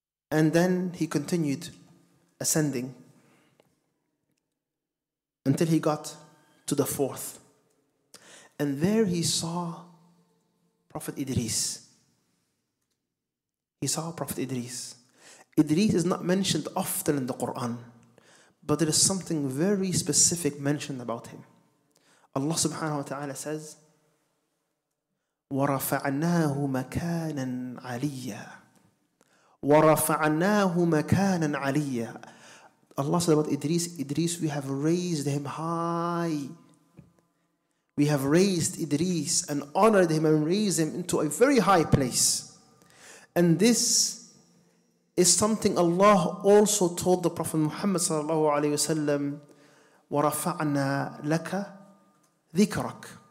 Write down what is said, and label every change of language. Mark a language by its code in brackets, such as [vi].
[en] And then he continued ascending until he got to the fourth. And there he saw Prophet Idris. He saw Prophet Idris. Idris is not mentioned often in the Quran, but there is something very specific mentioned about him. Allah subhanahu wa ta'ala says, [ar] وَرَفَعْنَاهُ مَكَانًا عَلِيًّا وَرَفَعْنَاهُ مَكَانًا عَلِيًّا. [en] Allah said about Idris, Idris, we have raised him high. We have raised Idris and honored him and raised him into a very high place. And this is something Allah also told the Prophet Muhammad sallallahu alayhi wa sallam, [ar] وَرَفَعْنَا لَكَ ذِكْرَكَ.